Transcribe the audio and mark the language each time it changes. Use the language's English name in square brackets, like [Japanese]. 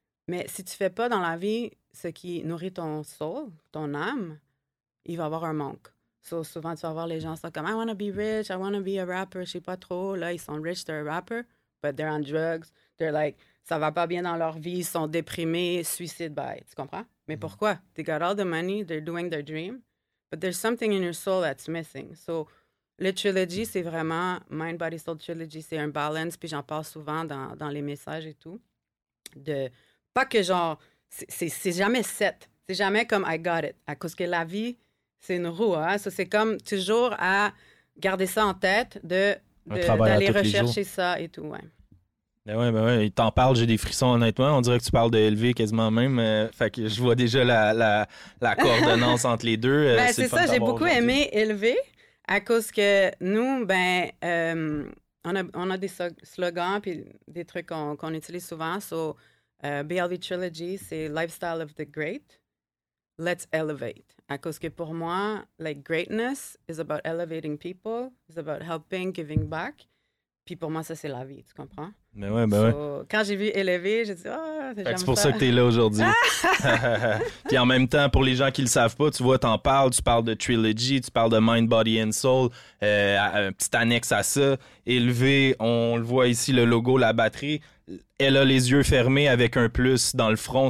[French] Mais si tu fais pas dans la vie ce qui nourrit ton soul, ton âme, il va y avoir un manque. So, souvent, tu vas voir les gens sont comme, [English] I want to be rich, I want to be a rapper, [French] je sais pas trop. Là, ils sont rich, [English] they're a rapper, but they're on drugs. They're like, [French] ça va pas bien dans leur vie, ils sont déprimés, suicide by, tu comprends? Mais pourquoi? [English] They got all the money, they're doing their dream. But there's something in your soul that's missing. [French] So, le trilogy, c'est vraiment mind-body-soul trilogy, c'est un balance, puis j'en parle souvent dans les messages et tout. De, pas que genre, c'est jamais set. C'est jamais comme, [English] I got it. [French] À cause que la vie, c'est une roue. Hein? So, c'est comme toujours à garder ça en tête, d'aller rechercher ça et tout, ouais. Ben ouais, il t'en parle, j'ai des frissons honnêtement. On dirait que tu parles de élevé quasiment même. Fait que je vois déjà la coordonnance entre les deux. Ben, c'est ça, j'ai beaucoup aimé élevé à cause que nous, ben, on a des slogans puis des trucs qu'on utilise souvent. [English] So, BLV Trilogy, c'est Lifestyle of the Great. Let's elevate. [French] À cause que pour moi, [English] like, greatness is about elevating people, is about helping, giving back. [French] Puis pour moi, ça, c'est la vie, tu comprends? Ben ouais. Quand j'ai vu élevé, j'ai dit, ah, oh, c'est ça. C'est pour ça que t'es là aujourd'hui. Puis en même temps, pour les gens qui le savent pas, tu vois, tu parles de trilogy, tu parles de mind, body and soul, un petit annexe à ça. Élevé, on le voit ici, le logo, la batterie. Elle a les yeux fermés avec un plus dans le front.